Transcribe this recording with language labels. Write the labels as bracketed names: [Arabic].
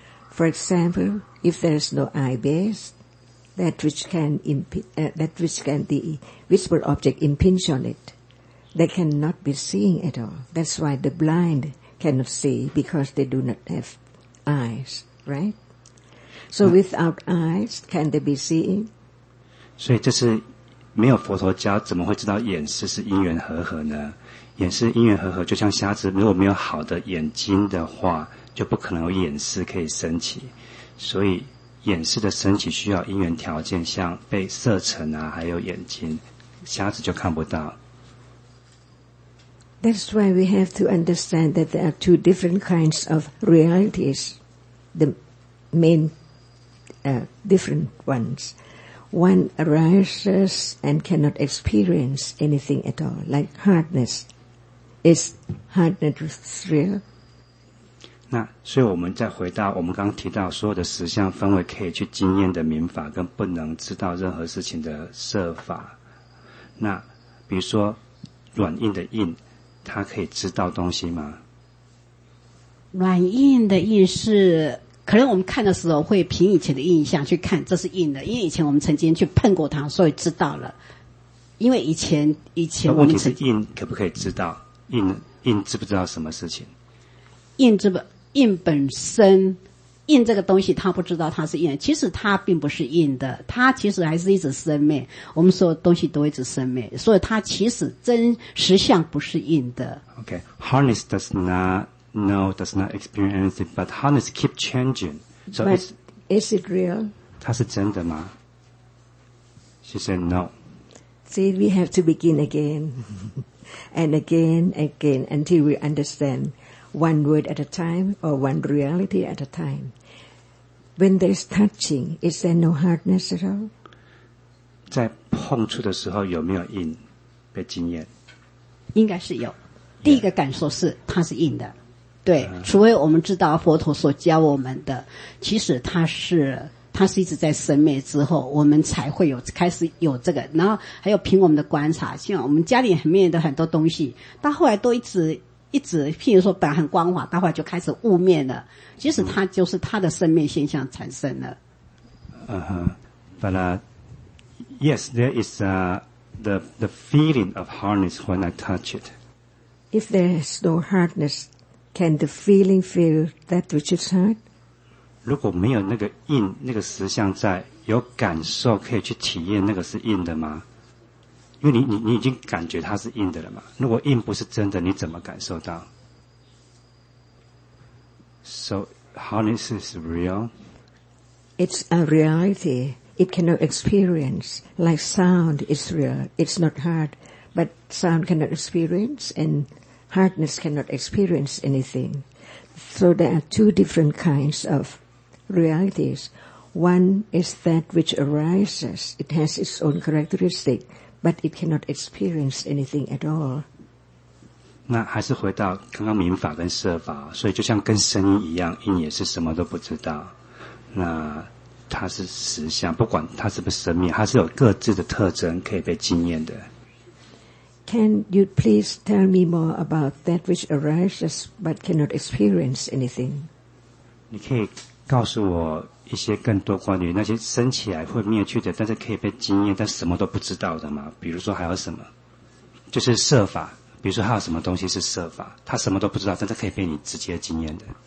[English] For example, if there is no eye base, that which can the visible object impinge on it,They cannot be seeing at all. That's why the blind cannot see because they do not have eyes, right? So without eyes, can they be seeing? [Chinese] 所以这是没有佛陀教，怎么会知道眼识是因缘和合呢？眼识因缘和合，就像瞎子，如果没有好的眼睛的话，就不可能有眼识可以升起。所以眼识的升起需要因缘条件，像被色尘啊，还有眼睛，瞎子就看不到。 [English] That's why we have to understand that there are two different kinds of realities, the main, different ones. One arises and cannot experience anything at all, like hardness. Is hardness real? [Chinese] 那所以我们再回到我们刚提到所有的实相分为可以去经验的明法跟不能知道任何事情的设法。那比如说软硬的硬他可以知道东西吗？软硬的硬是，可能我们看的时候会凭以前的印象去看，这是硬的，因为以前我们曾经去碰过它，所以知道了。因为以前我们问题是硬可不可以知道？硬知不知道什么事情？硬本身，硬这个东西他不知道它是硬，其实它并不是硬的，它其实还是一直生灭。我们所有东西都一直生灭，所以它其实真实相不是硬的。 [English] Okay, harness does not know, does not experience anything, but harness keep changing. So but is it real? [Chinese] 它是真的吗？ [English] She said no. See, we have to begin again and again and again until we understand. One word at a time or one reality at a time. When there's touching, is there no hardness at all? [Chinese] 在碰触的时候有没有硬被经验？应该是有。第一个感受是它是硬的。对，除非我们知道佛陀所教我们的，其实它是它是一直在生灭之后，我们才会有开始有这个。然后还有凭我们的观察，像我们家里很面的很多东西，到后来都一直一直，譬如说本来很光滑，到后来就开始雾面了。其实它就是它的生灭现象产生了。 [English] Yes, there is the feeling of hardness when I touch it. If there is no hardness, can the feeling feel that which is hard? [Chinese] 如果没有那个硬那个实相在，有感受可以去体验那个是硬的吗？因为你已经感觉它是硬的了嘛。如果硬不是真的，你怎么感受到 ？ [English] So hardness is real. It's a reality. It cannot experience, like sound is real, it's not hard, but sound cannot experience and hardness cannot experience anything. So there are two different kinds of realities. One is that which arises, it has its own characteristic, but it cannot experience anything at all. [Chinese] 那还是回到刚刚明法跟设法，所以就像跟声音一样，音也是什么都不知道。那它是实相，不管它是不是生命，它是有各自的特征可以被经验的。 [English] Can you please tell me more about that which arises but cannot experience anything? [Chinese] 你可以告诉我一些更多关于那些生起来会灭去的，但是可以被经验，但什么都不知道的吗？比如说还有什么？就是设法，比如说还有什么东西是设法，它什么都不知道，但是可以被你直接经验的。